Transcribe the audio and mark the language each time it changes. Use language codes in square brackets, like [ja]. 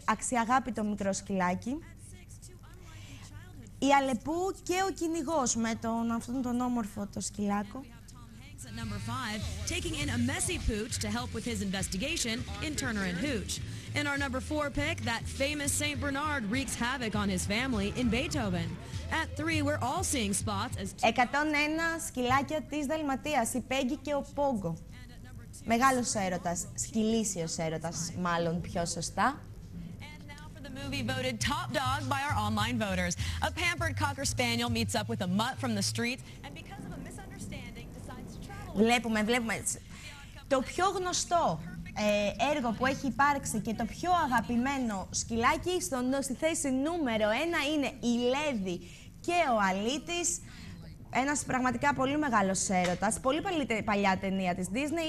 [el] Αξιαγάπητο μικρό σκυλάκι. Η Αλεπού και ο κυνηγός με τον αυτόν τον όμορφο το σκυλάκο. [en] At number 5, taking in a messy pooch to help with his investigation in Turner and Hooch. In our number 4 pick, that famous St. Bernard wreaks havoc on his family in Beethoven. At 3, we're all seeing spots as [el] 101 σκυλάκια της Δαλματίας, η Πέγγι και ο Πόγκο. Μεγάλος έρωτας, σκυλίσιος έρωτας, μάλλον πιο σωστά. [en] Movie voted top dog by our online voters. A pampered cocker spaniel meets up with a mutt from the street and because of a misunderstanding decides to travel. [el] Βλέπουμε. Το πιο γνωστό έργο που έχει υπάρξει και το πιο αγαπημένο σκυλάκι στη θέση νούμερο 1 είναι η Λέδη και ο Αλίτης. Ένας πραγματικά πολύ μεγάλος έρωτας. Πολύ παλιά ταινία της Disney.